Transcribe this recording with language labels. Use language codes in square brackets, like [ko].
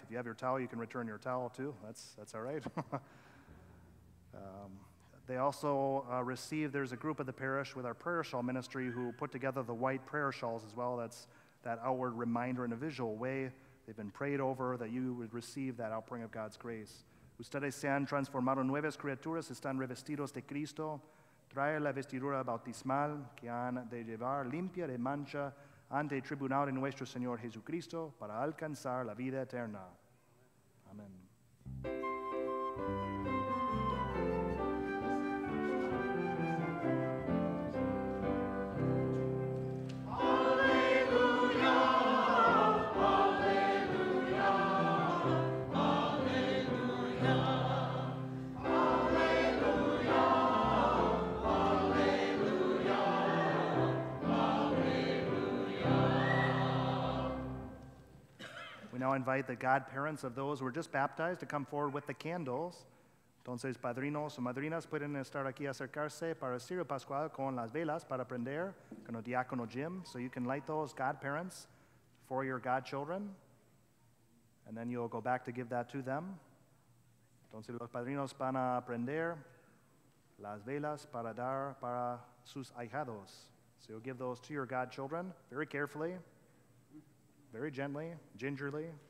[en] If you have your towel, you can return your towel too. That's all right. they also receive, there's a group of the parish with our prayer shawl ministry who put together the white prayer shawls as well. That's that outward reminder in a visual way. They've been prayed over that you would receive that outpouring of God's grace. [es] Ustedes se han transformado nuevas criaturas, están revestidos de Cristo. Trae la vestidura bautismal que han de llevar limpia de mancha ante el tribunal de nuestro Señor Jesucristo para alcanzar la vida eterna. Amén. [en] Now invite the godparents of those who were just baptized to come forward with the candles. [es] Entonces, padrinos o madrinas pueden estar aquí acercarse para el Cirio Pascual con las velas para prender con el diácono Jim. [en] So you can light those godparents for your godchildren. And then you'll go back to give that to them. [es] Entonces, los padrinos van a prender las velas para dar para sus ahijados. [en] So you'll give those to your godchildren very carefully. Very gently, gingerly.